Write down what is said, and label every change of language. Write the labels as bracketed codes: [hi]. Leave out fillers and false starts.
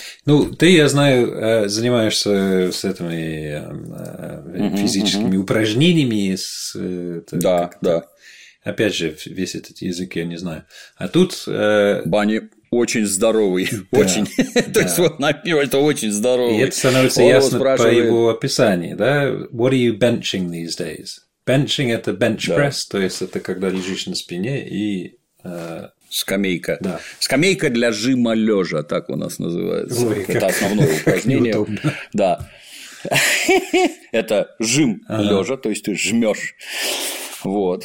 [ru] Ну, ты, я знаю, занимаешься с этими физическими упражнениями. Да. Опять же, весь этот язык, я не знаю. А тут... Банни очень здоровый. То есть, вот напиво, это очень здоровый. И это становится ясно по его описанию. Да? [en] What are you benching these days? [ru] Benching – это bench press, то есть это когда лежишь на спине и… Скамейка. Да. Скамейка для жима лежа, так у нас называется. Ой, это основное упражнение. Неудобно. Да. Это жим лежа, то есть ты жмешь. Вот.